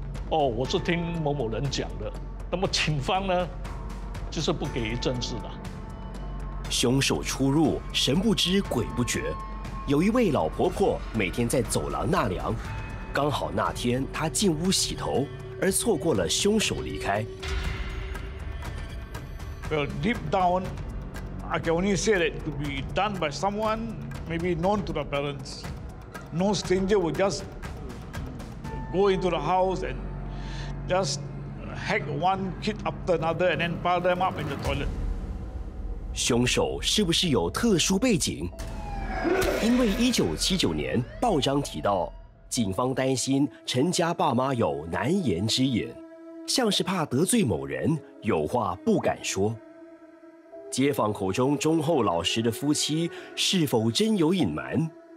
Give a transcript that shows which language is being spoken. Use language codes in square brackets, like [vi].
[zh] 哦，我是听某某人讲的，那么警方呢，就是不给证实的。凶手出入神不知鬼不觉，有一位老婆婆每天在走廊纳凉，刚好那天她进屋洗头，而错过了凶手离开。 [en] Well, deep down, I can only say that to be done by someone maybe known to the parents. No stranger would just go into the house and. Just hack one kid after another and then pile them up in the toilet. [zh] 凶手是不是有特殊背景？因为1979年报章提到，警方担心陈家爸妈有难言之隐，像是怕得罪某人，有话不敢说。街坊口中忠厚老实的夫妻是否真有隐瞒？